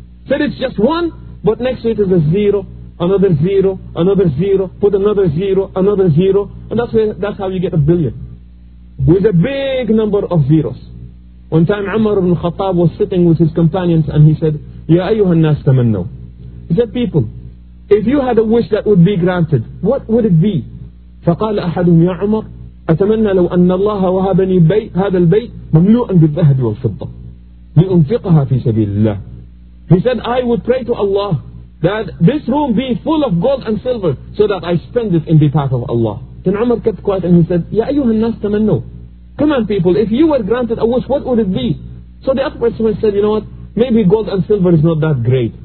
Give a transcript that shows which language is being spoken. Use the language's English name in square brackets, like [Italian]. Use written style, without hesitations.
[English] Said it's just one, but next to it is a zero, another zero, another zero, put another zero, another zero, and that's how you get a billion. With a big number of zeros. One time Umar ibn Khattab was sitting with his companions and he said, [Arabic] Ya ayyuhan nas tamannaw. [English] He said, people, if you had a wish that would be granted, what would it be? [Arabic] فقال أحدهم يا عمر أتمنى لو أن الله وهبني بيت هذا البيت مملوءا بالذهب والفضة لأنفقها في سبيل الله. [English] He said, I would pray to Allah that this room be full of gold and silver so that I spend it in the path of Allah. Then Umar kept quiet and he said, [Arabic] Ya ayyuhan nas tamannaw. [English] Come on people, if you were granted a wish, what would it be? So the other person said, you know what, maybe gold and silver is not that great.